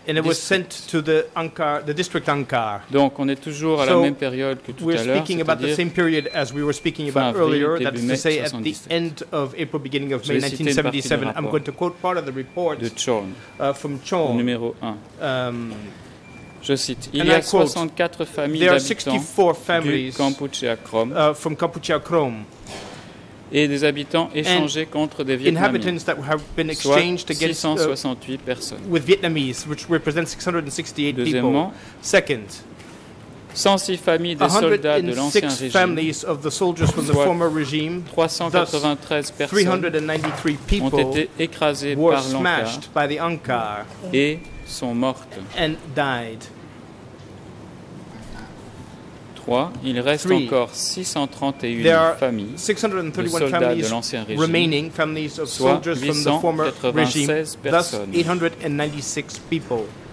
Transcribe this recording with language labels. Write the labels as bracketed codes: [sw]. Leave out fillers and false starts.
[en] and it was sent to the Ankar, the district Ankar. [fr] Donc on est toujours à la même période que tout à l'heure, [en] speaking about the same period as we were speaking about earlier, that is to say at the end of April, beginning of May 1977. I'm going to quote part of the report [fr] de Chorn, [en] from Chorn, [fr] numéro 1. Je cite, il y a 64 familles d'habitants du Kampuchea-Krom [en] from Kampuchea-Krom [fr] et des habitants échangés contre des Vietnamiens, [en] that have been exchanged [fr] soit 668 personnes. [en] With Vietnamese, which represents 668 [fr] deuxièmement, [en] people. Second, [fr] 106 familles des soldats de l'ancien régime, [en] of the soldiers from the former regime, [fr] 393 personnes ont été écrasées [en] were [fr] par [en] smashed by the Ankar. [fr] Et sont mortes. [en] And died. [fr] 3. Il reste encore 631 familles de soldats de l'ancien régime, [en] remaining families of soldiers from the former regime, thus 896 people.